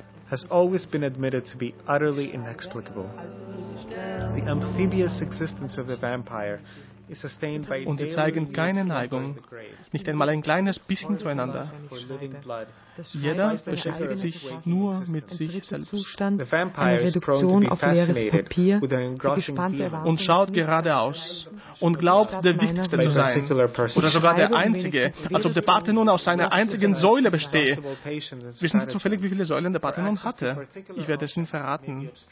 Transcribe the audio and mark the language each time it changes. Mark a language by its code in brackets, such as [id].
[en] Has always been admitted to be utterly inexplicable. The amphibious existence of the vampire is sustained by. [de] Und sie zeigen keine Neigung, nicht einmal ein kleines bisschen zueinander. Jeder beschäftigt sich nur mit sich selbst. [en] The vampire is prone to be fascinated with an engrossing view [de] und schaut geradeaus und glaubt, der Wichtigste zu sein oder sogar der Einzige, als ob der Parthenon aus seiner einzigen Säule bestehe. Wissen Sie zufällig, wie viele Säulen der Parthenon hatte? Ich werde es Ihnen verraten.